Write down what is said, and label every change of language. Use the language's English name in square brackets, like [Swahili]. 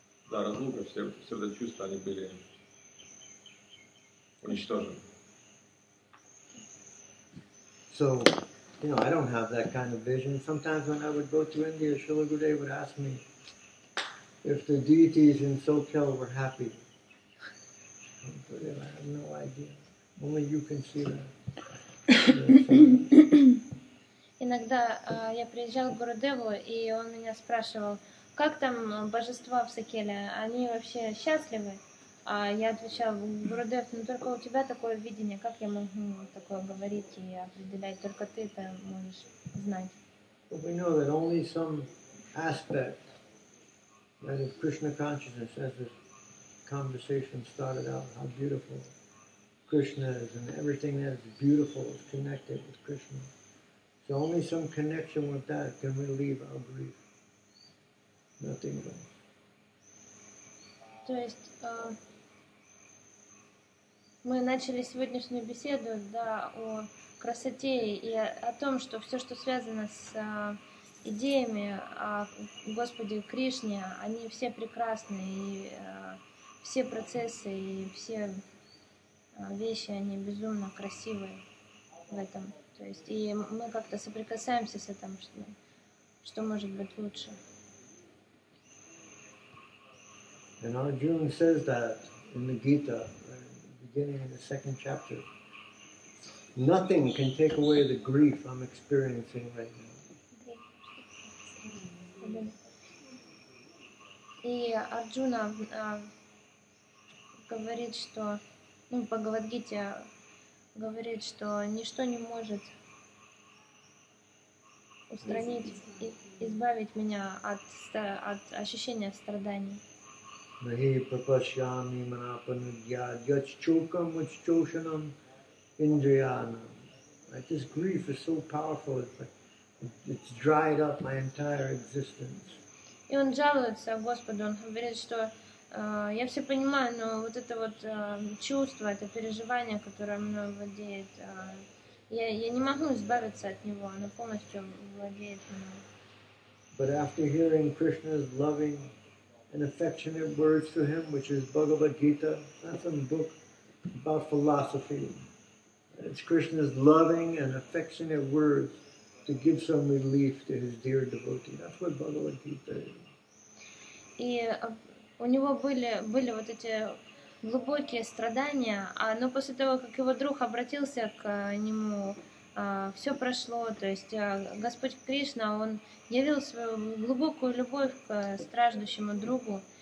[Russian] Да, разлука, все это чувство, они были уничтожены. [English] So, you know, I don't have that kind of vision. Sometimes when I would go to India, Srila Gurudev would ask me if the deities in Soquel were happy. I have no idea. Only you can see that. [Russian] Иногда я приезжал к Гурудеву, и он меня спрашивал, как там божества в Сокеле? Они вообще счастливы? А я отвечал, Гурудев, ну только у тебя такое видение, как я могу такое говорить и определять, только ты это можешь знать. [English] But we know that only some aspect that is Krishna consciousness, as this conversation started out, how beautiful Krishna is and everything that is beautiful is connected with Krishna. So only some connection with that can relieve our grief. Nothing else. [Russian] То есть, мы начали сегодняшнюю беседу, да, о красоте и о том, что все, что связано с идеями о Господе Кришне, они все прекрасны, и все процессы, и все вещи, они безумно красивые в этом. То есть, и мы как-то соприкасаемся с этим, что может быть лучше. [English] And Arjuna says that in the Gita. Beginning in the second chapter, nothing can take away the grief I'm experiencing right now. [Russian] И Арджуна говорит, что, ну, Бхагавадгите говорит, что ничто не может устранить и избавить меня от ощущения страданий. [Sanskrit] Nahi prapashyami manapanudyad yachchukam uchchoshanam indriyanam. [English] Like this grief is so powerful, it's dried up my entire existence. [Russian] И он жалуется Господу, он говорит, что я все понимаю, но вот это вот чувство, это переживание, которое мной владеет, я не могу избавиться от него, оно полностью владеет мной. [English] But after hearing Krishna's loving and affectionate words to him, which is Bhagavad Gita, not some book about philosophy. It's Krishna's loving and affectionate words to give some relief to his dear devotee. That's what Bhagavad Gita is. [Russian] И у него были вот эти глубокие страдания, но после того, как его друг обратился к нему, все прошло, то есть Господь Кришна, он явил свою глубокую любовь к страждущему другу.